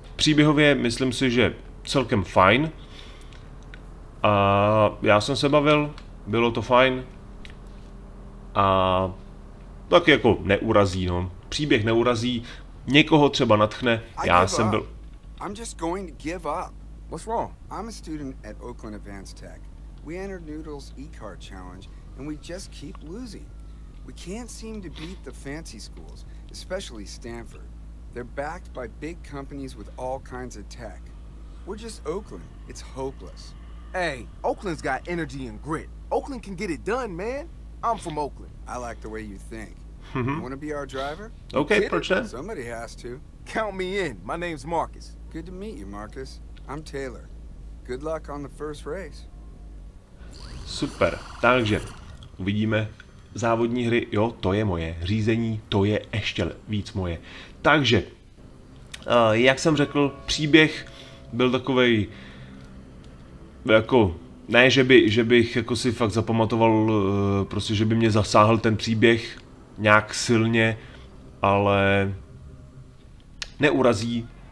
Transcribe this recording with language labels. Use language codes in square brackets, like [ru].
[cs] Příběhově myslím si, že celkem fajn. A já jsem se bavil, bylo to fajn. A tak jako neurazí, no. Příběh neurazí, někoho třeba natchne. Já jsem byl. [en] I'm just going to give up. What's wrong? I'm a student at Oakland Advanced Tech. We entered Noodle's e-card challenge and we just keep losing. We can't seem to beat the fancy schools, especially Stanford. They're backed by big companies with all kinds of tech. We're just Oakland. It's hopeless. Hey, Oakland's got energy and grit. Oakland can get it done, man. I'm from Oakland. I like the way you think. You want to be our driver? Okay, [cs] proč ne? [en] Somebody has to. Count me in. My name's Marcus. Good to meet you, Marcus. I'm Taylor. Good luck on the first race. [cs] Super. Takže uvidíme závodní hry. Jo, to je moje. Řízení, to je ještě víc moje. Takže, jak jsem řekl, příběh byl takovej. Jako, ne, že bych jako si fakt zapamatoval, prostě, že by mě zasáhl ten příběh nějak silně, ale neurazí.